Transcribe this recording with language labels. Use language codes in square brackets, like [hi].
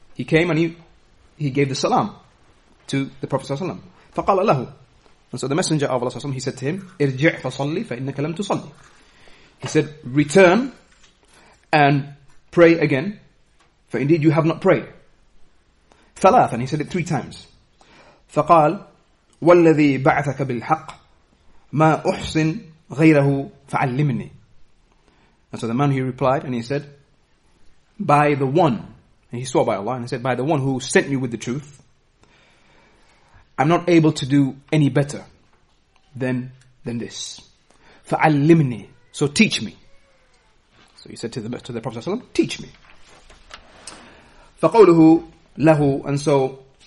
[en] He came and he gave the salam to the Prophet ﷺ. [ar] فَقَالَ لَهُ. [en] And so the Messenger of Allah, he said to him, [ar] ارجع فصلي فإنك لم تصلي. [en] He said, return and pray again, for indeed you have not prayed. ثلاثا, and he said it three times. [ar] فقال, والذي بعثك بالحق ما أحسن غيره فعلمني. [en] And so the man, he replied and he said, by the one, and he swore by Allah, and he said, by the one who sent you with the truth, I'm not able to do any better than this. [ar] فَعَلِّمْنِي. [en] So teach me. So he said to the Prophet ﷺ, teach me. [ar] فَقَوْلُهُ لَهُ. [en] And so